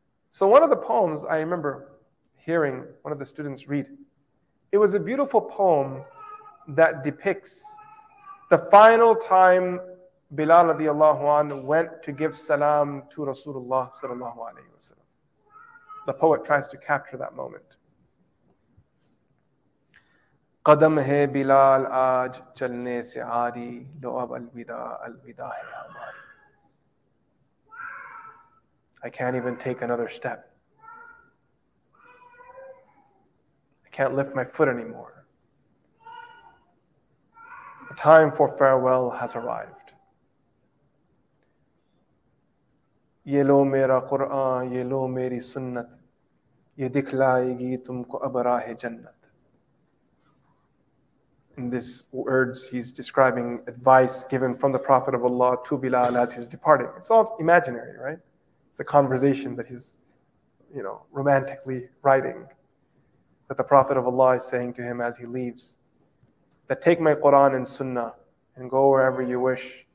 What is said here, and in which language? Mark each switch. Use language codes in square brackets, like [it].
[en] So one of the poems I remember hearing one of the students read, it was a beautiful poem that depicts the final time Bilal radiallahu anhu went to give salam to Rasulullah sallallahu alayhi wa sallam. The poet tries to capture that moment. [ur] قدم ہے بلال آج چلنے سے عاری لو اب الوداع الوداع ہے ہماری. [en] I can't even take another step. I can't lift my foot anymore. The time for farewell has arrived. [ur] یہ لو میرا قرآن یہ لو میری سنت یہ دکھلائے گی تم کو اب راہ جنت. [en] In these words, he's describing advice given from the Prophet of Allah to Bilal as he's departing. It's all imaginary, right? It's a conversation that he's, you know, romantically writing. That the Prophet of Allah is saying to him as he leaves, that take my Quran and Sunnah and go wherever you wish.